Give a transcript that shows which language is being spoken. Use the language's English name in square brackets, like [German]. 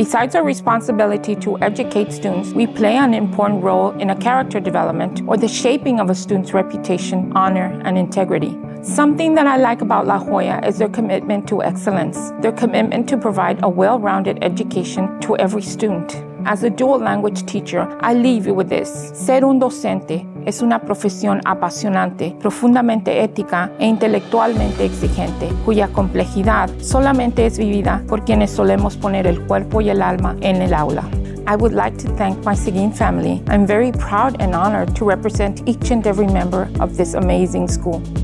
[English] Besides our responsibility to educate students, we play an important role in a character development or the shaping of a student's reputation, honor, and integrity. Something that I like about La Jolla is their commitment to excellence, their commitment to provide a well-rounded education to every student. As a dual language teacher, I leave you with this. [Spanish] Ser un docente es una profesión apasionante, profundamente ética e intelectualmente exigente, cuya complejidad solamente es vivida por quienes solemos poner el cuerpo y el alma en el aula. [English] I would like to thank my Seguin family. I'm very proud and honored to represent each and every member of this amazing school.